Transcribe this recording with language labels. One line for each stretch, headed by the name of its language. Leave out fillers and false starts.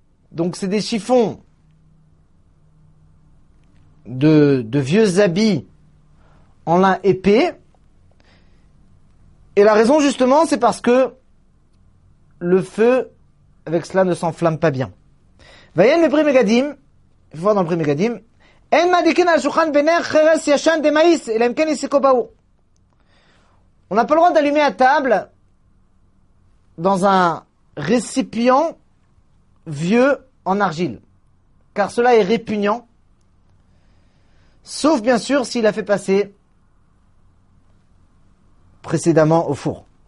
French: Donc c'est des chiffons de vieux habits en lin épais. Et la raison justement, c'est parce que le feu avec cela ne s'enflamme pas bien. Vayen le prix Megadim, il faut voir dans le prix Megadim,
Hebrew: אין מדיקין על השולחן בנר חרס ישן דמאיס, אלא אם כן יסיקו באור.
French: On n'a pas le droit d'allumer la table dans un récipient vieux en argile, car cela est répugnant, sauf bien sûr s'il a fait passer précédemment au four.